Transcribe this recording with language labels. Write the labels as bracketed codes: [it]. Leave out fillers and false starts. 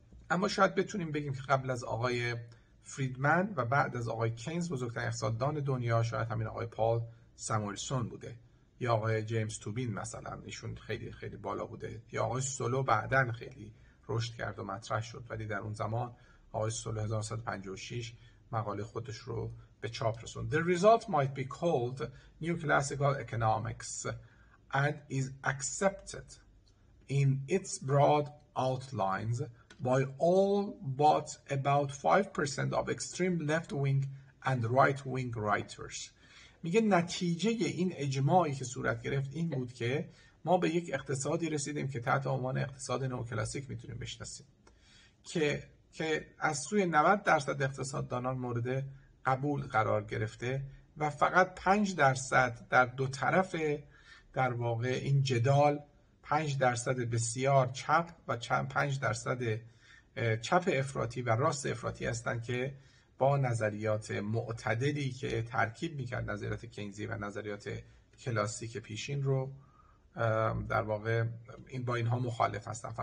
[fa] اما شاید بتونیم بگیم که قبل از آقای فریدمن و بعد از آقای کینز بزرگترین اقتصاددان دنیا شاید همین آقای پال سامویلسون بوده، یا آقای جیمز توبین مثلا ایشون خیلی خیلی بالا بوده، یا آقای سولو بعدن خیلی رشد کرد و مطرح شد، ولی در اون زمان آقای سولو 1956 مقاله خودش رو به چاپ رسوند. [en] The result might be called new classical economics and is accepted in its broad outlines by all but about 5% of extreme left-wing and right-wing writers. [fa] میگه نتیجه این اجماعی که صورت گرفت این بود که ما به یک اقتصادی رسیدیم که تحت عنوان اقتصاد نوکلاسیک میتونیم بشناسیم، که از سوی 90% اقتصاددانان مورد قبول قرار گرفته و فقط 5% در دو طرف در واقع این جدال، 5% بسیار چپ و 5% چپ افراطی و راست افراطی هستند که با نظریات معتدلی که ترکیب میکرد نظریات کینزی و نظریات کلاسیک پیشین رو در واقع این با اینها مخالف هستن.